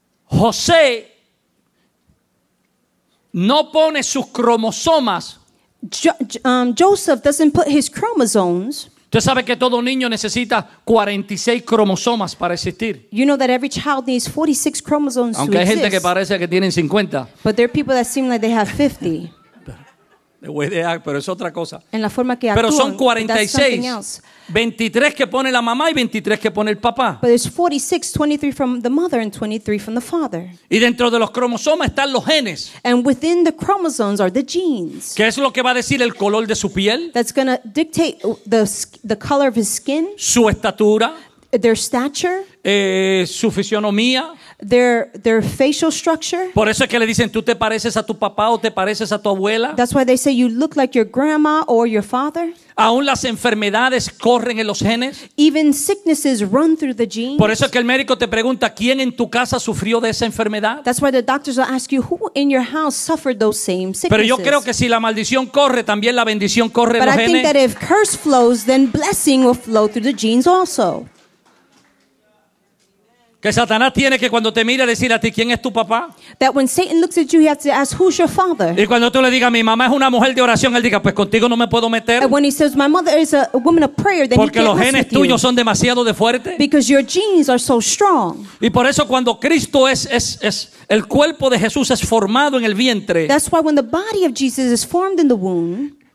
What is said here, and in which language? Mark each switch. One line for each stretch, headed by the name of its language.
Spanish: José no pone sus cromosomas.
English: Joseph doesn't put his chromosomes.
Spanish: Usted sabe que todo niño necesita 46 cromosomas para existir.
English: You know that every child needs 46 chromosomes to exist.
Spanish: Aunque hay gente que parece que tienen 50.
English: But there are people that seem like they have 50.
Spanish: Pero es otra cosa. En la forma que pero actúan, son 46. 23 que pone la mamá y 23 que pone el papá.
English: But it's 46, 23 from the mother and 23 from the father.
Spanish: Y dentro de los cromosomas están los genes.
English: And within the chromosomes are the genes.
Spanish: ¿Qué es lo que va a decir el color de su piel?
English: That's going to dictate the color of his skin.
Spanish: Su estatura.
English: Their stature.
Spanish: Su fisionomía.
English: Their facial structure.
Spanish: Por eso es que le dicen tú te pareces a tu papá o te pareces a tu abuela.
English: That's why they say you look like your grandma or your father.
Spanish: Aún las enfermedades corren en los genes.
English: Even sicknesses run through the genes.
Spanish: Por eso es que el médico te pregunta quién en tu casa sufrió de esa enfermedad.
English: That's why the doctors will ask you who in your house suffered those same sicknesses.
Spanish: Pero yo creo que si la maldición corre también la bendición corre en los genes.
English: But I think that if curse flows then blessing will flow through the genes also.
Spanish: Que Satanás tiene que cuando te mira decir a ti quién es tu papá.
English: That when Satan looks at you he has to ask who's your father.
Spanish: Y cuando tú le digas mi mamá es una mujer de oración él diga pues contigo no me puedo meter.
English: And when he says my mother is a woman of prayer then
Spanish: porque
English: he
Spanish: los genes tuyos Son demasiado de fuerte.
English: Because your genes are so strong.
Spanish: Y por eso cuando Cristo es el cuerpo de Jesús es formado en el vientre.
English: That's why when the body of Jesus is formed in the womb.